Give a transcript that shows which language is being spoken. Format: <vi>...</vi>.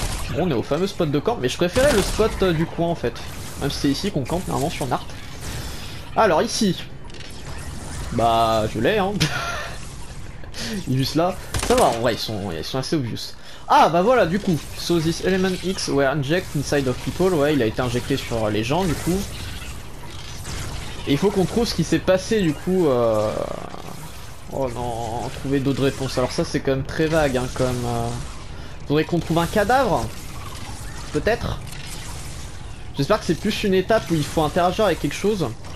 <fr>Bon, on est au fameux spot de camp, mais je préférais le spot du coin en fait. Même si c'est ici qu'on campe normalement sur Nart. Alors ici. Bah je l'ai, hein. Il est juste là. Ça va, en vrai ils sont assez obvious. Ah bah voilà du coup.</fr> <en>So this element X were injected inside of people.</en> <fr>Ouais, il a été injecté sur les gens du coup. Et il faut qu'on trouve ce qui s'est passé du coup. Oh non, trouver d'autres réponses. Alors ça c'est quand même très vague, hein, comme. Faudrait qu'on trouve un cadavre. Peut-être. J'espère que c'est plus une étape où il faut interagir avec quelque chose.</fr>